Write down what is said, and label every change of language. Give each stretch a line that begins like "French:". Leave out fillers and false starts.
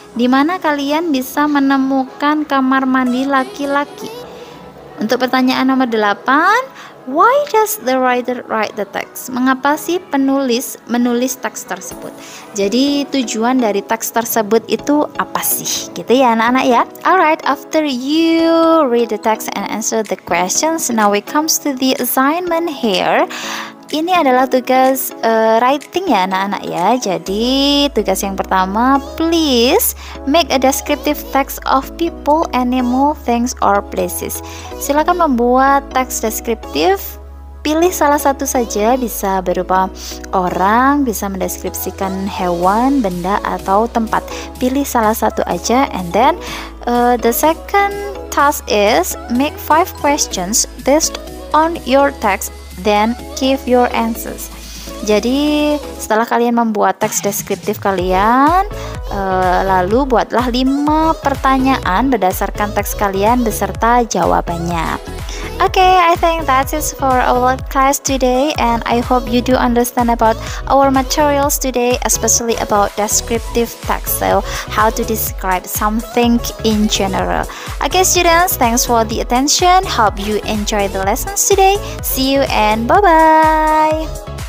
Indonesian: Di mana kalian bisa menemukan kamar mandi laki-laki? Untuk pertanyaan nomor 8,
English: why does the writer write the text?
Indonesian: Mengapa sih penulis menulis teks tersebut? Jadi tujuan dari teks tersebut itu apa sih? Gitu ya anak-anak ya.
English: Alright, after you read the text and answer the questions, now it comes to the assignment here.
Indonesian: Ini adalah tugas writing ya anak-anak ya. Jadi tugas yang pertama,
English: please make a descriptive text of people, animal, things or places.
Indonesian: Silakan membuat teks deskriptif. Pilih salah satu saja, bisa berupa orang, bisa mendeskripsikan hewan, benda atau tempat. Pilih salah satu aja.
English: And then the second task is make 5 questions based on your text, then give your answers.
Indonesian: Jadi setelah kalian membuat teks deskriptif kalian, lalu buatlah 5 pertanyaan berdasarkan teks kalian beserta jawabannya.
English: Okay, I think that is for our class today, and I hope you do understand about our materials today, especially about descriptive text, so how to describe something in general. Okay, students, thanks for the attention. Hope you enjoy the lessons today. See you and bye-bye.